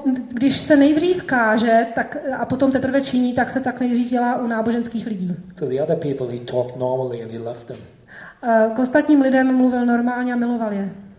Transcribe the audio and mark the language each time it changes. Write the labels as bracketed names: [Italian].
[Czech] Když se nejdřív káže, tak a potom teprve činí, tak se tak nejdřív dělá u náboženských lidí. [English] To the other people he talked normally and he loved them. [Czech] K ostatním lidem mluvil normálně a miloval je.